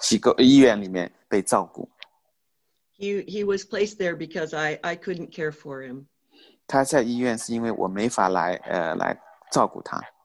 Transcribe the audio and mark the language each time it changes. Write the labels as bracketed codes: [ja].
[zh] Samuel和我已经分离了一年，因为他一直在医院一个机构，医院里面被照顾。 [en] He was placed there because I couldn't care for him. [zh] 他在医院是因为我没法来照顾他。